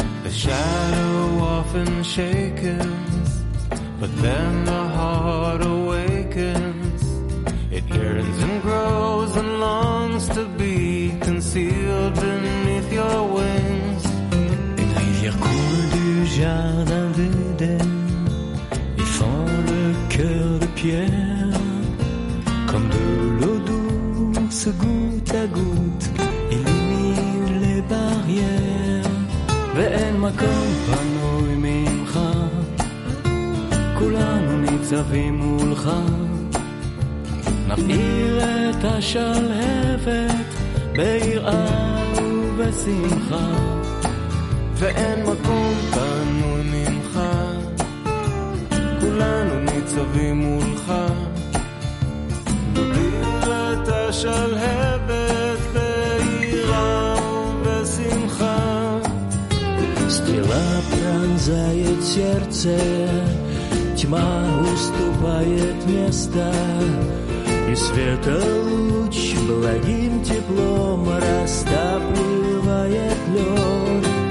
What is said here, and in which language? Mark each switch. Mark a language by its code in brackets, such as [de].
[en] shadow often shakens, but then the heart awakens. It yearns and grows and longs to be concealed beneath your wings. [fr] Une rivière coule du jardin d'Eden, y fend le cœur de pierre. Comme de l'eau douce, goutte à goutte, illumine les barrières. [he] ואין מקום פנוי ממך, כולנו ניצבים מולך, נפעיר את השלהבת ביראה ובשמחה. ואין מקום פנוי ממך, כולנו ניצבים מולך, נפעיר את השלהבת. [ru] Пронзает сердце, тьма уступает место, и света луч благим теплом растапливает лед.